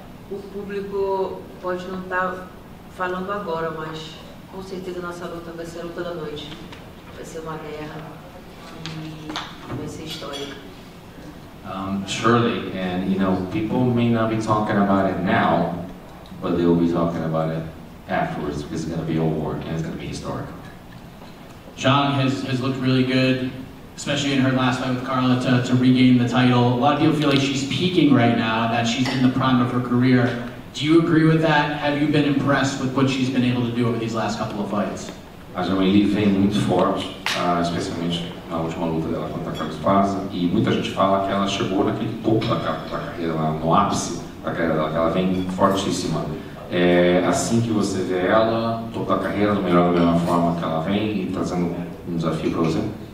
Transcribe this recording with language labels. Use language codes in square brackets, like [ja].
[pt] O público pode não estar falando agora, mas com certeza nossa luta vai ser a luta da noite. Vai ser uma guerra e vai ser histórica. [en] Surely, and you know, people may not be talking about it now, but they will be talking about it afterwards, because it's going to be a war and it's going to be historic. Zhang has looked really good, especially in her last fight with Carla, to regain the title. A lot of people feel like she's peaking right now, that she's in the prime of her career. Do you agree with that? Have you been impressed with what she's been able to do over these last couple of fights? [pt] Aljamain vem muito forte, especialmente na última luta dela contra a Carlos Paz, e muita gente fala que ela chegou naquele topo da carreira, no ápice da carreira dela, que ela vem fortíssima. Assim que você vê ela, toda a carreira, da mesma forma que ela vem e trazendo um desafio para você?